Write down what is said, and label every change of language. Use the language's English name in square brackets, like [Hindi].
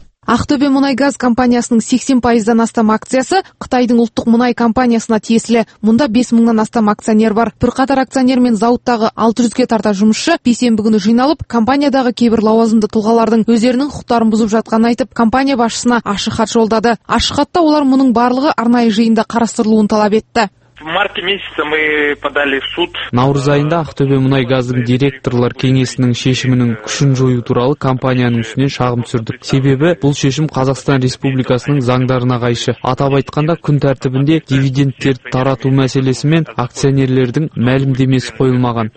[Kazakh] Ақтөбе мұнай газ компаниясының 80%-дан астам акциясы Қытайдың ұлттық мұнай компаниясына тиесілі. Мұнда 5000-нан астам акционер бар. Бірқатар акционер мен зауыттағы 600-ге тарта жұмысшы бейсенбі күні жиналып, компаниядағы кейбір лауазымды тұлғалардың өздерінің құқықтарын бұзып жатқанын айтып, компания басшысына ашық хат жолдады. Ашық хатта олар мұның барлығы арнайы жиында қарастырылуын талап етті. [Russian] В марте месяце мы подали в суд. [Kazakh] Наурыз айында Ақтөбе мұнай газының директорлар кеңесінің шешімінің күшін жою туралы компанияның үстіне шағым түсірдік. Себебі бұл шешім Қазақстан Республикасының заңдарына қайшы. Атап айтқанда күн тәртібінде дивидендтер тарату мәселесі мен акционерлердің мәлімдемесі қойылмаған.